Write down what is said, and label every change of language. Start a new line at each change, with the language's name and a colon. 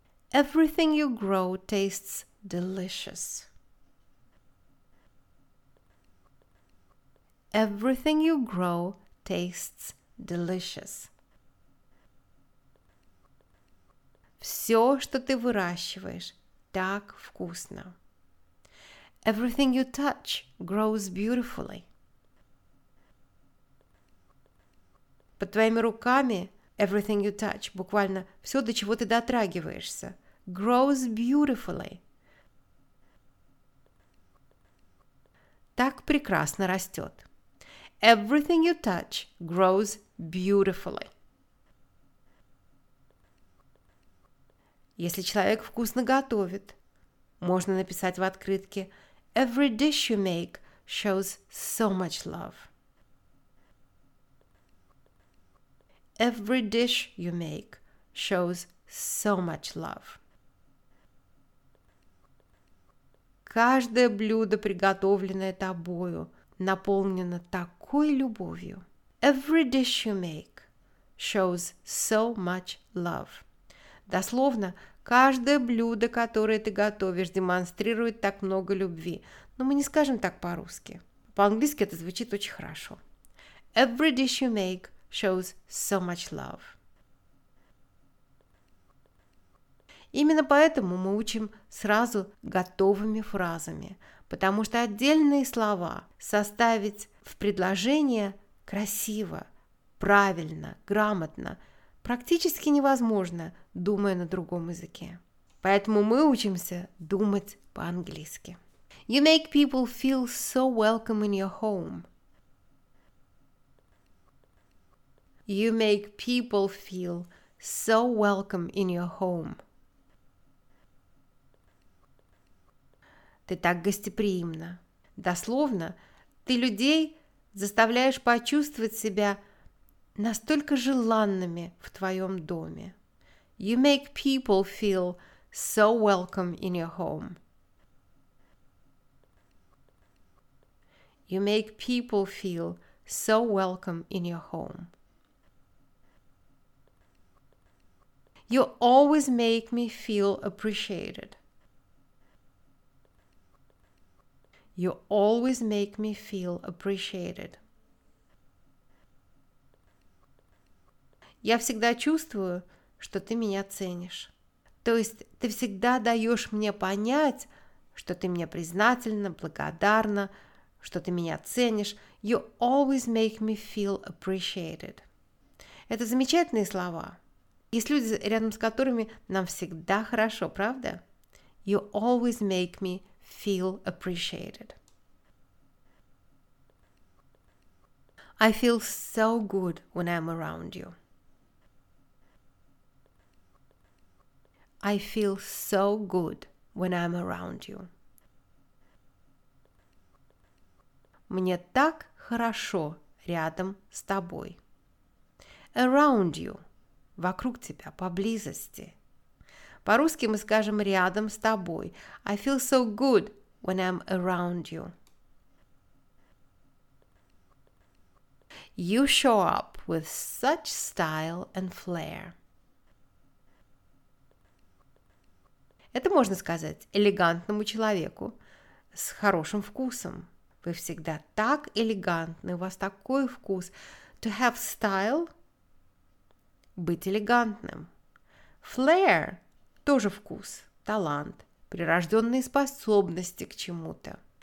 English: Everything you grow tastes delicious. Everything you grow tastes delicious.
Russian: Все, что ты выращиваешь, так вкусно.
English: Everything you touch grows beautifully.
Russian: Под твоими руками
English: everything you touch,
Russian: буквально все, до чего ты дотрагиваешься,
English: grows beautifully.
Russian: Так прекрасно растет.
English: Everything you touch grows beautifully.
Russian: Если человек вкусно готовит, можно написать в открытке
English: Every dish you make shows so much love. Every dish you make shows so much love.
Russian: Каждое блюдо, приготовленное тобою, наполнено такой любовью.
English: Every dish you make shows so much love.
Russian: Дословно, каждое блюдо, которое ты готовишь, демонстрирует так много любви. Но мы не скажем так по-русски. По-английски это звучит очень хорошо.
English: Every dish you make shows so much love.
Russian: Именно поэтому мы учим сразу готовыми фразами, потому что отдельные слова составить в предложение красиво, правильно, грамотно практически невозможно, думая на другом языке. Поэтому мы учимся думать по-английски.
English: You make people feel so welcome in your home. You make people feel so welcome in your home.
Russian: Ты так гостеприимна. Дословно, ты людей заставляешь почувствовать себя настолько желанными в твоем доме.
English: You make people feel so welcome in your home. You make people feel so welcome in your home. You always make me feel appreciated. You always make me feel appreciated.
Russian: Я всегда чувствую, что ты меня ценишь. То есть ты всегда даешь мне понять, что ты мне признательна, благодарна, что ты меня ценишь.
English: You always make me feel appreciated.
Russian: Это замечательные слова. Есть люди, рядом с которыми нам всегда хорошо, правда?
English: You always make me feel appreciated. I feel so good when I'm around you. I feel so good when I'm around you.
Russian: Мне так хорошо рядом с тобой.
English: Around you.
Russian: Вокруг тебя, поблизости. По-русски мы скажем «рядом с тобой».
English: I feel so good when I'm around you. You show up with such style and flair.
Russian: Это можно сказать элегантному человеку с хорошим вкусом. Вы всегда так элегантны, у вас такой вкус.
English: To have style
Russian: – быть элегантным. Flair – тоже вкус, талант, прирожденные способности к чему-то.